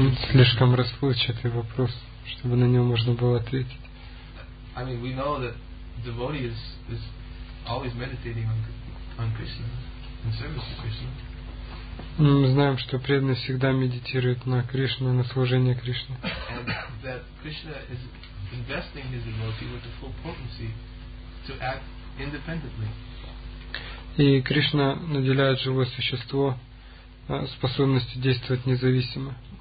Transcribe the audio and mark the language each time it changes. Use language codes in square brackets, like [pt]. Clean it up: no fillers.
[ru] Слишком расплывчатый вопрос, чтобы на него можно было ответить. [en] We know that devotee is always meditating on Krishna in service to Krishna. [ru] Мы знаем, что преданный всегда медитирует на Кришну, на служение Кришне. [en] And that Krishna is investing his devotee with the full potency to act independently. [ru] И Кришна наделяет живое существо способностью действовать независимо.